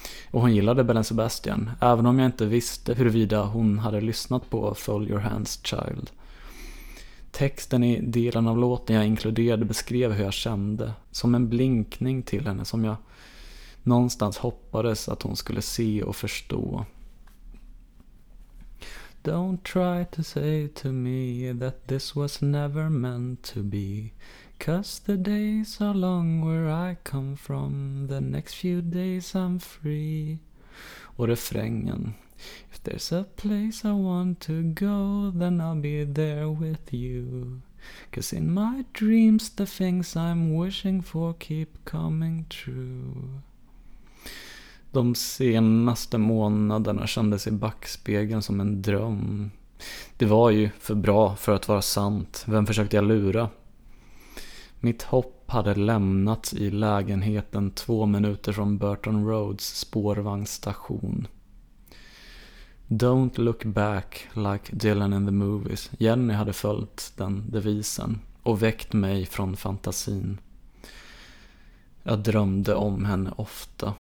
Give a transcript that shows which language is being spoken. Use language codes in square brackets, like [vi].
[sv] Och hon gillade Belle Sebastian, även om jag inte visste huruvida hon hade lyssnat på Fold Your Hands Child. Texten i delen av låten jag inkluderade beskrev hur jag kände, som en blinkning till henne som jag någonstans hoppades att hon skulle se och förstå. [en] Don't try to say to me that this was never meant to be, 'cause the days are long where I come from, the next few days I'm free. [sv] Och refrängen: [en] if there's a place I want to go, then I'll be there with you, 'cause in my dreams the things I'm wishing for keep coming true. [sv] De senaste månaderna kändes i backspegeln som en dröm. Det var ju för bra för att vara sant. Vem försökte jag lura? Mitt hopp hade lämnats i lägenheten 2 minuter från Burton Roads spårvagnstation. [en] Don't look back like Dylan in the movies. [sv] Jenny hade följt den devisen och väckt mig från fantasin. Jag drömde om henne ofta.